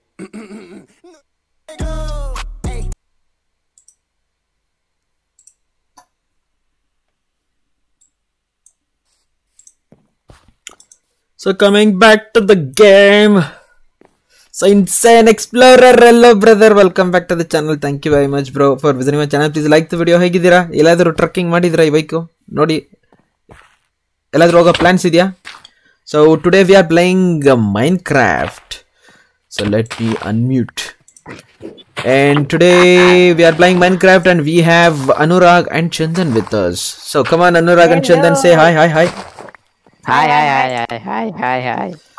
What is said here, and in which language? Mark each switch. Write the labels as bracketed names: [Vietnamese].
[English] So coming back to the game. So insane explorer, hello brother, welcome back to the channel. Thank you very much bro for visiting my channel. Please like the video. [Kannada] Hey Gidira, ಎಲ್ಲಾದರು trekking ಮಾಡಿದ್ರಾ ಈ bike ನೋಡಿ, ಎಲ್ಲಾದರೂ ಹೋಗೋ plants ಇದೆಯಾ? [English] So today we are playing Minecraft. So let me unmute. And today we are playing Minecraft and we have Anurag and Chandan with us. So come on Anurag. Hello. And Chandan, say hi, hi, hi. Hi, hi, hi, hi, hi, hi, hi, hi.